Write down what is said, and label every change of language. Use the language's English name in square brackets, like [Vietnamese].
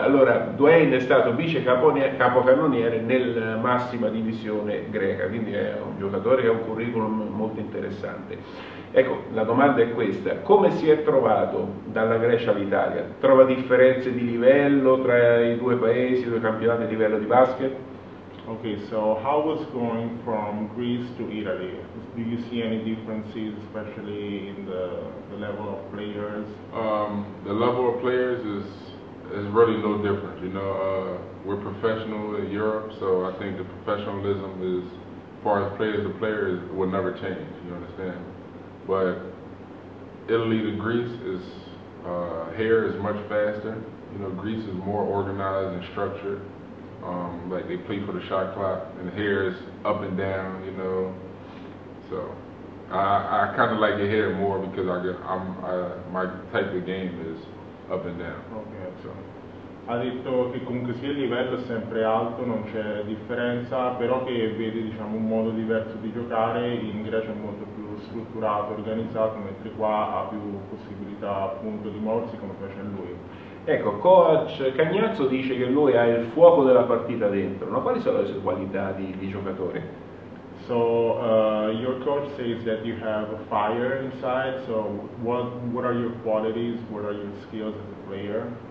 [Italian] Allora, Dwayne è stato vice capocannoniere nel massima divisione greca, quindi è un giocatore che ha un curriculum molto interessante. Ecco, la domanda è questa: come si è trovato dalla Grecia all'Italia? Trova differenze di livello tra i due paesi, i due campionati di livello di basket? [English] Ok, so how was going from Greece to Italy? Do you see any differences, especially in the level of players? The level of players is really no different, you know. We're professional in Europe, so I think the professionalism is, far as players to players, will never change, you understand? But Italy to Greece is, hair is much faster. You know, Greece is more organized and structured. Like they play for the shot clock and the hair is up and down, you know. So I kind of like the hair more because my type of game is up and down. Okay. So. [Italian] Ha detto che comunque sia il livello è sempre alto, non c'è differenza, però che vede, diciamo, un modo diverso di giocare. In Grecia è molto più strutturato, organizzato, mentre qua ha più possibilità, appunto, di muoversi come piace a lui. Ecco, coach Cagnazzo dice che lui ha il fuoco della partita dentro, no? Quali sono le sue qualità di giocatore? [English] So, your coach says that you have a fire inside, so what are your qualities, what are your skills as a player?